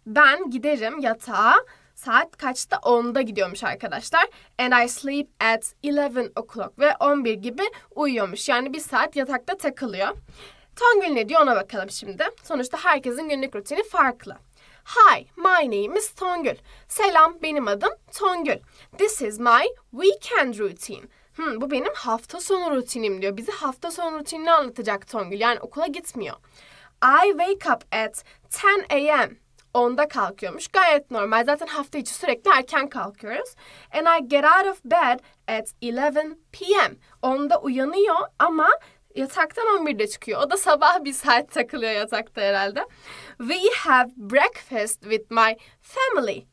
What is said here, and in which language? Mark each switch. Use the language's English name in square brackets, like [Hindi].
[Turkish] Ben giderim yatağa. Saat kaçta? 10'da gidiyormuş arkadaşlar. [English] And I sleep at 11 o'clock. [Turkish] Ve 11 gibi uyuyormuş. Yani bir saat yatakta takılıyor. Tongül ne diyor ona bakalım şimdi. Sonuçta herkesin günlük rutini farklı. [English] Hi, my name is Tongül. [Turkish] Selam, benim adım Tongül. [English] This is my weekend routine. [Turkish] Bu benim hafta sonu rutinim diyor. Bizi hafta sonu rutinini anlatacak Tongül. Yani okula gitmiyor. [English] I wake up at 10 a.m. [Turkish] 10'da kalkıyormuş. Gayet normal. Zaten hafta içi sürekli erken kalkıyoruz. [English] And I get out of bed at 11 p.m. [Turkish] 10'da uyanıyor ama yataktan 11'de çıkıyor. O da sabah bir saat takılıyor yatakta herhalde. [English] We have breakfast with my family.